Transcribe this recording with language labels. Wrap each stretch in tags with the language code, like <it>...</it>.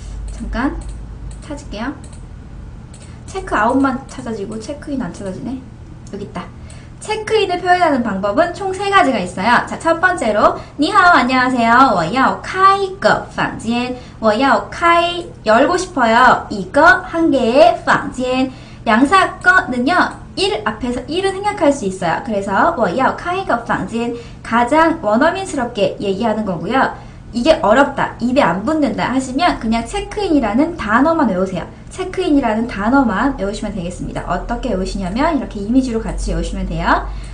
<ko>잠깐 찾을게요. 체크아웃만 찾아지고 체크인 안 찾아지네. 여기 있다. 체크인을 표현하는 방법은 총 세 가지가 있어요. 자, 첫 번째로 니하오, 안녕하세요.</ko> <zh>我要开个房间.我要开</zh> <ko>열고 싶어요. 이거 한 개의</ko> <zh>房间.</zh> <ko>양사 거는요, 일 앞에서 일을 생략할 수 있어요. 그래서</ko> <zh>我要开个房间.</zh> <ko>가장 원어민스럽게 얘기하는 거고요. 이게 어렵다, 입에 안 붙는다 하시면 그냥 체크인이라는 단어만 외우세요. 체크인이라는 단어만 외우시면 되겠습니다. 어떻게 외우시냐면 이렇게 이미지로 같이 외우시면 돼요.</ko>